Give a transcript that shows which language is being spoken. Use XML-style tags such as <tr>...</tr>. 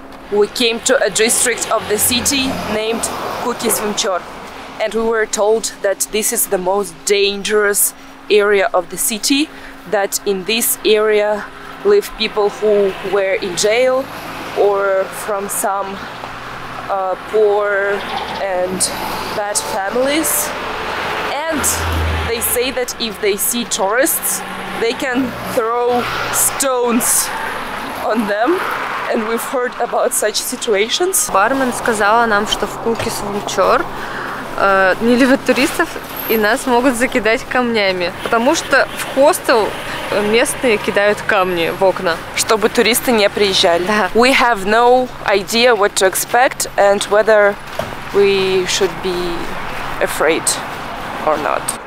<en>We came to a district of the city named Kukisvimchor, and we were told that this is the most dangerous area of the city, that in this area live people who were in jail or from some poor and bad families. And they say that if they see tourists, they can throw stones on them. And we've heard about such situations.</en> <ru>Бармен сказала нам, что в Кукисвимчор не любят туристов и нас могут закидать камнями, потому что в хостел местные кидают камни в окна, чтобы туристы не приезжали. Да.</ru> <en>We have no idea what to expect and whether we should be afraid or not.</en>